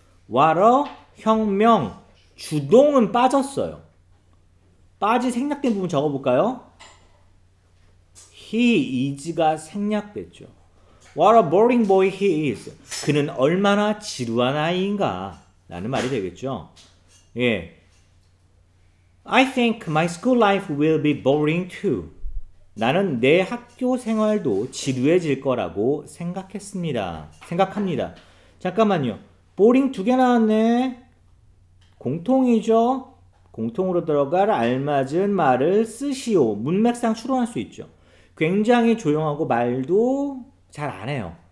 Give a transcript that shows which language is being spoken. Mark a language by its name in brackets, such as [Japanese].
[English] What a [Korean] 형명. 주동은 빠졌어요. 빠지 생략된 부분 적어볼까요? [English] He is가 [Korean] 생략됐죠. [English] What a boring boy he is. [Korean] 그는 얼마나 지루한 아이인가? 라는 말이 되겠죠. 예. [English] I think my school life will be boring too. [Korean] 나는 내 학교 생활도 지루해질 거라고 생각했습니다. 생각합니다. 잠깐만요. boring 두개 나왔네. 공통이죠. 공통으로 들어갈 알맞은 말을 쓰시오. 문맥상 추론할 수 있죠. 굉장히 조용하고 말도 잘안 해요.